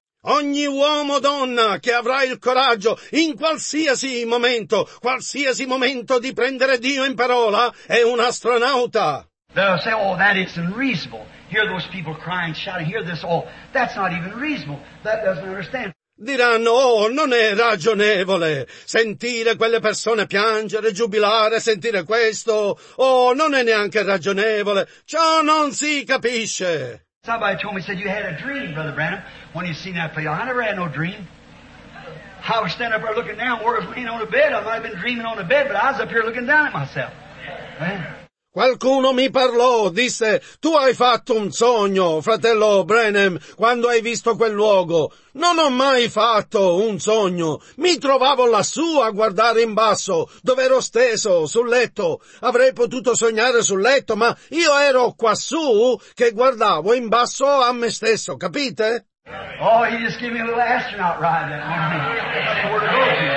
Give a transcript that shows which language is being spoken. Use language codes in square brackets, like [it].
[it] Ogni uomo o donna che avrà il coraggio in qualsiasi momento di prendere Dio in parola, è un astronauta. [en] They'll say, oh, that is unreasonable. Hear those people crying, shouting, hear this, oh, that's not even reasonable. That doesn't understand. [it] Diranno, oh, non è ragionevole sentire quelle persone piangere, giubilare, sentire questo, oh, non è neanche ragionevole, ciò non si capisce. [en] Somebody told me, said, you had a dream, Brother Branham, when you seen that play. I never had no dream. I was standing up there looking down, where I was laying on a bed. I might have been dreaming on a bed, but I was up here looking down at myself. Man. [it] Qualcuno mi parlò, disse, tu hai fatto un sogno, fratello Branham, quando hai visto quel luogo. Non ho mai fatto un sogno. Mi trovavo lassù a guardare in basso, dove ero steso, sul letto. Avrei potuto sognare sul letto, ma io ero quassù che guardavo in basso a me stesso, capite? [en] Oh, he just gave me a little astronaut ride that morning. That's the word of God.